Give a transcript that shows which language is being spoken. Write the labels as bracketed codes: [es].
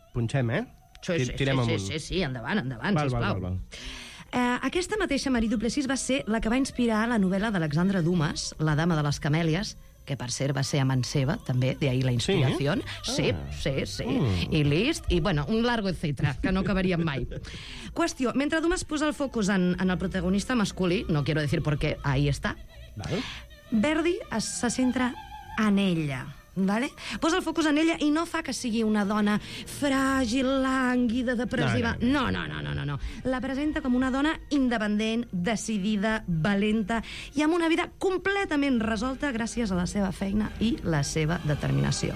[ca] Punxem, eh? Sí, endavant, endavant, val, sisplau. Val. Aquesta mateixa Marie Duplessis va ser la que va inspirar la novel·la d'Alexandre Dumas, La dama de les camèlies, que per cert va ser amant seva, també, d'ahir la inspiració. Sí, eh? I list, i bueno, un largo etcètera, que no acabaríem mai. Qüestió, mentre Dumas posa el focus en el protagonista masculí, [es] no quiero decir por qué, ahí está, [ca] val, [es] Verdi se centra en ella, ¿vale? [ca] Posa el focus en ella i no fa que sigui una dona fràgil, lànguida, depressiva. No. La presenta com una dona independent, decidida, valenta i amb una vida completament resolta gràcies a la seva feina i la seva determinació.